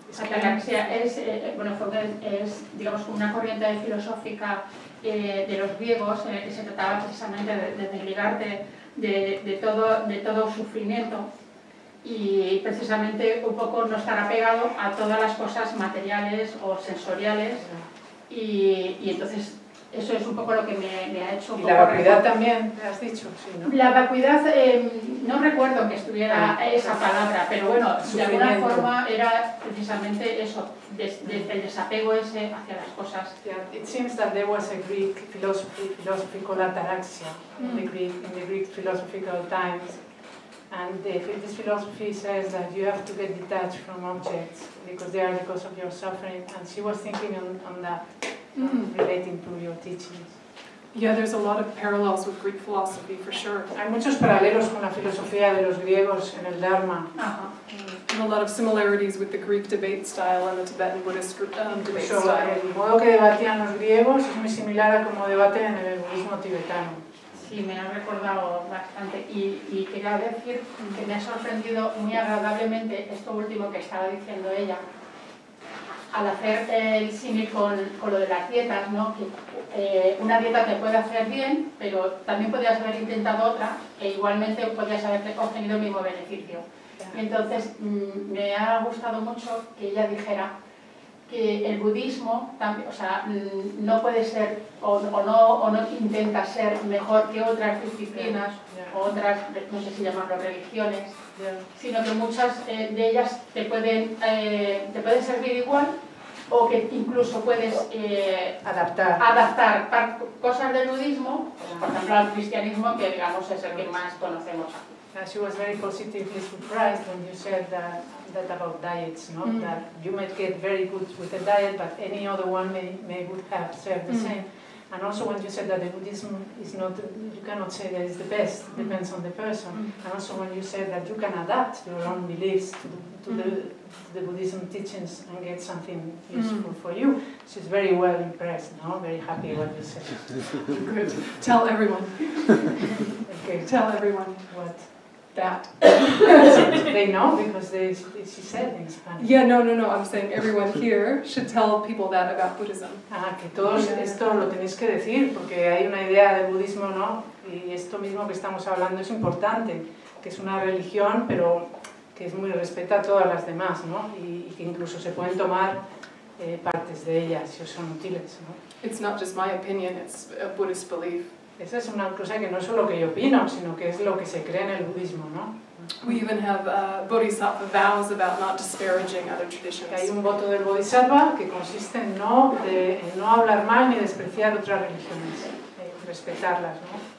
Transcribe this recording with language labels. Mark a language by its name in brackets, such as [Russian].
[Spanish] Ataraxia es, bueno, fue, es, digamos, una corriente de filosófica de los griegos en el que se trataba precisamente de desligarte de todo sufrimiento y precisamente un poco no estar apegado a todas las cosas materiales o sensoriales y entonces eso es un poco lo que me ha hecho. ¿Y la vacuidad también, te has dicho? Sí, ¿no? La vacuidad, no recuerdo que estuviera esa palabra, pero bueno, de alguna forma era precisamente eso, desde el desapego ese hacia las cosas. [English] Yeah. It seems that there was a Greek philosophy called ataraxia in the Greek philosophical times. And the Buddhist philosophy says that you have to get detached from objects because they are the cause of your suffering. And she was thinking on that. Relating to your teachings. Yeah, there's a lot of parallels with Greek philosophy, for sure. [Spanish] Hay muchos paralelos con la filosofía de los griegos en el dharma. [English] And a lot of similarities with the Greek debate style and the Tibetan Buddhist debate style. [Spanish] El modo que debatían los griegos es muy similar a como debaten en el budismo tibetano. Sí, me ha recordado bastante. Y quería decir que me ha sorprendido muy agradablemente esto último que estaba diciendo ella. Al hacer el símil con lo de las dietas, ¿no? Que una dieta te puede hacer bien, pero también podrías haber intentado otra e igualmente podrías haber obtenido el mismo beneficio. Y entonces me ha gustado mucho que ella dijera que el budismo también, o sea, no puede ser o no intenta ser mejor que otras disciplinas o otras, no sé si llamarlo, religiones. Yeah. Sino que muchas de ellas te pueden servir igual o que incluso puedes adaptar cosas del budismo, por ejemplo al cristianismo, que digamos es el que más conocemos. [English] She was very positively surprised when you said that about diets, no? Mm-hmm. That you might get very good with a diet, but any other one may would have served the same. And also when you said that the Buddhism is not, you cannot say that it's the best, it depends on the person. And also when you said that you can adapt your own beliefs to the Buddhism teachings and get something useful for you. She's very well impressed, no? Very happy what you said. Good. Tell everyone. Okay. Tell everyone what? That. They know because she said in Spanish. Yeah, no, I'm saying everyone here should tell people that about Buddhism. [Spanish] Ah, que todos esto lo tenéis que decir, porque hay una idea del budismo, ¿no? Y esto mismo que estamos hablando es importante, que es una religión, pero que es muy respeta a todas las demás, ¿no? Y que incluso se pueden tomar partes de ellas si son útiles, ¿no? [English] It's not just my opinion, it's a Buddhist belief. [Spanish] Esa es una cosa que no es solo que yo opino, sino que es lo que se cree en el budismo, ¿no? [English] We even have bodhisattva vows about not disparaging other traditions. [Spanish] Hay un voto del bodhisattva que consiste en no hablar mal ni despreciar otras religiones, respetarlas, ¿no?